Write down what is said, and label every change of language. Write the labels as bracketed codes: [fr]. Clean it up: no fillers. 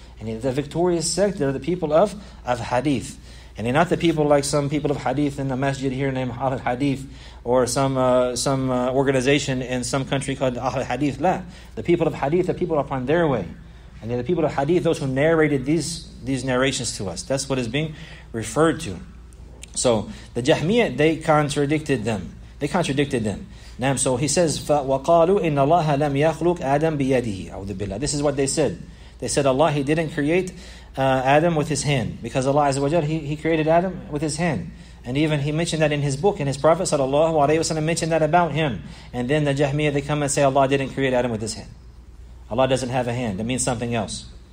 [en] And the victorious sect, they're the people of Hadith. And they're not the people like some people of Hadith in the masjid here named Ahl al-Hadith, or some organization in some country called Ahl al-Hadith. La. The people of Hadith, the people upon their way. And they're the people of Hadith, those who narrated these narrations to us. That's what is being referred to. So the Jahmiyyah, they contradicted them. They contradicted them. Nam, so he says, [ar] فَقَالُوا إِنَّ اللَّهَ لَمْ يَخْلُقْ آدَمْ بِيَدِهِ أَعُوذُ بِاللَّهِ. [en] This is what they said. They said, Allah, He didn't create Adam with His hand. Because Allah Azza wa Jal, He created Adam with His hand. And even He mentioned that in His book, and His Prophet sallallahu alayhi wa sallam mentioned that about Him. And then the Jahmiyyah, they come and say, Allah didn't create Adam with His hand. Allah doesn't have a hand. It means something else.